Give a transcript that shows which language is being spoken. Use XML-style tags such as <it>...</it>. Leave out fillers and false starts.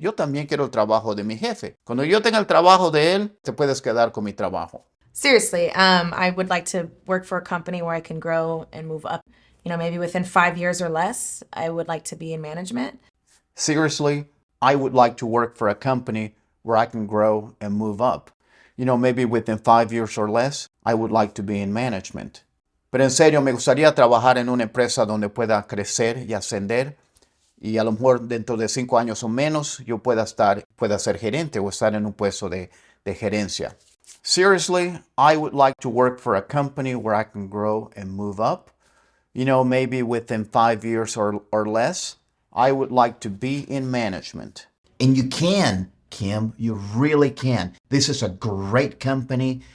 <es>Yo también quiero el trabajo de mi jefe. Cuando yo tenga el trabajo de él, te puedes quedar con mi trabajo.</es> <en>Seriously, I would like to work for a company where I can grow and move up. You know, maybe within 5 years or less, I would like to be in management. Seriously, I would like to work for a company where I can grow and move up. You know, maybe within 5 years or less, I would like to be in management.</en> <es>Pero en serio, me gustaría trabajar en una empresa donde pueda crecer y ascender. Y a lo mejor dentro de 5 años o menos, yo pueda ser gerente o estar en un puesto de gerencia.</es> <en>Seriously, I would like to work for a company where I can grow and move up. You know, maybe within 5 years or less, I would like to be in management. And you can, Kim. You really can. This is a great company.</en>